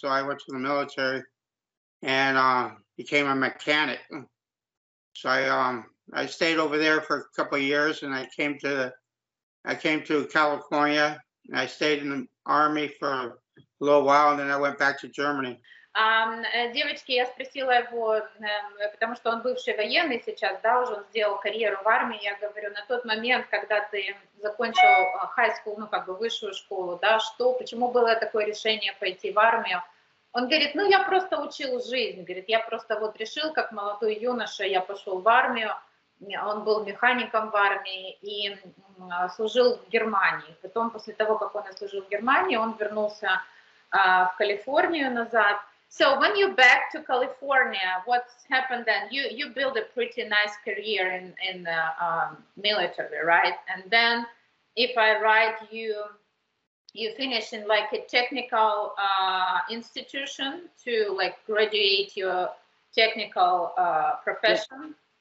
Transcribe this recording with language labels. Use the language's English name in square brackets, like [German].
[English] So I went to the military and became a mechanic. So I stayed over there for a couple of years, and I came to California, and I stayed in the army for a little while, and then I went back to Germany. [Russian] Девочки, я спросила его, потому что он бывший военный сейчас, да, уже он сделал карьеру в армии, я говорю, на тот момент, когда ты закончил [English] high school, [Russian] ну, как бы высшую школу, да, что, почему было такое решение пойти в армию? Он говорит, ну, я просто учил жизнь, говорит, я просто вот решил, как молодой юноша, я пошел в армию, он был механиком в армии и служил в Германии. Потом, после того, как он служил в Германии, он вернулся в Калифорнию назад. [English] So when you back to California, what's happened then? You build a pretty nice career in the military, right? And then, if I write you finish in like a technical institution to like graduate your technical profession.